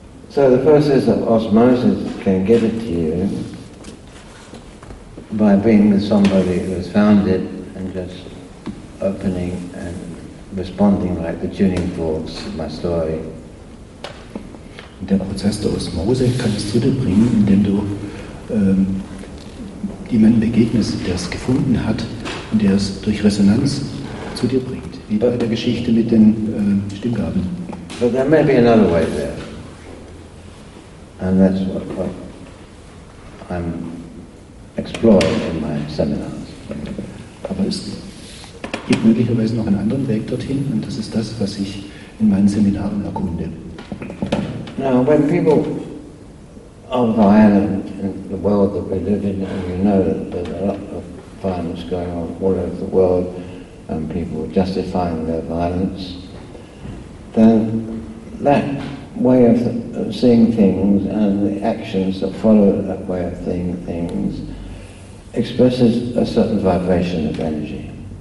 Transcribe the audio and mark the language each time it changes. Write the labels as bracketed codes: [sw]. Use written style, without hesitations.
[en] So the process of osmosis can give it to you by being with somebody who has found it and just opening and responding like the tuning forks of my story. [de] Der Prozess der Osmose kann es zu dir bringen, indem du jemanden begegnest, der es gefunden hat und der es durch Resonanz zu dir bringt. Wie bei der Geschichte mit den Stimmgabeln. [en] But there may be another way there. And that's what I'm exploring in my seminars. [de] Aber es gibt möglicherweise noch einen anderen Weg dorthin, und das ist das, was ich in meinen Seminaren erkunde. [en] Now, when people of Ireland and the world that we live in, and you know that there's a lot of violence going on all over the world, and people justifying their violence, then that way of seeing things and the actions that follow that way of seeing things expresses a certain vibration of energy.